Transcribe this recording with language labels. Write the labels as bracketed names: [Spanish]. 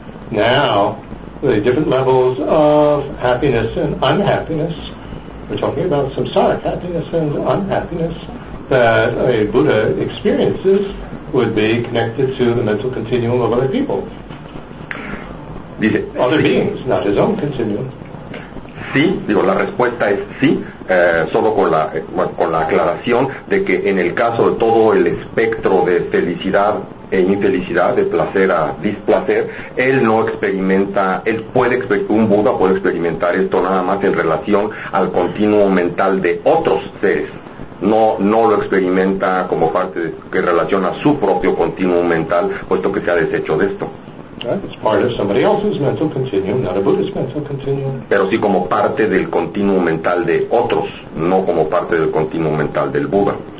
[English] Now, the different levels of happiness and unhappiness, we're talking about samsaric happiness and unhappiness, that a Buddha experiences would be connected to the mental continuum of other people. [Spanish] Dice, [English] other beings, not his own continuum. [Spanish] Sí, digo, la respuesta es sí, solo con la aclaración de que en el caso de todo el espectro de felicidad e infelicidad, de placer a displacer, él no experimenta, él puede, un Buda puede experimentar esto nada más en relación al continuo mental de otros seres, no lo experimenta como parte de, que relaciona su propio continuo mental, puesto que se ha deshecho de esto. [English] It's part of somebody else's mental continuum, not a Buddha's mental continuum. [Spanish] Pero sí como parte del continuo mental de otros, no como parte del continuo mental del Buda.